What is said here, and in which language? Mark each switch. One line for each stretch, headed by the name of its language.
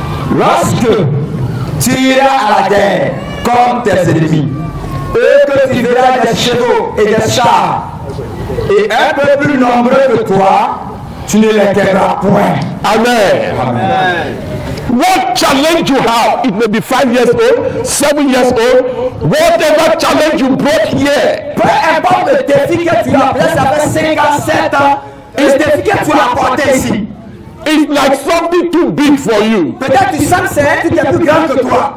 French: Lorsque tu iras à la guerre contre tes ennemis, et que tu verras des chevaux et des chars, et un peu plus nombreux que toi, tu ne les craindras point. Amen. Amen.
English: What challenge you have, it may be 5 years old, 7 years old, whatever challenge you brought here.
French: Peu importe le défi que tu as pris, ça fait 5 ans, 7 ans, le défi que tu as porté ici.
English: It's like something too big for you.
French: Peut-être tu sens que c'est un truc qui est plus grand que toi.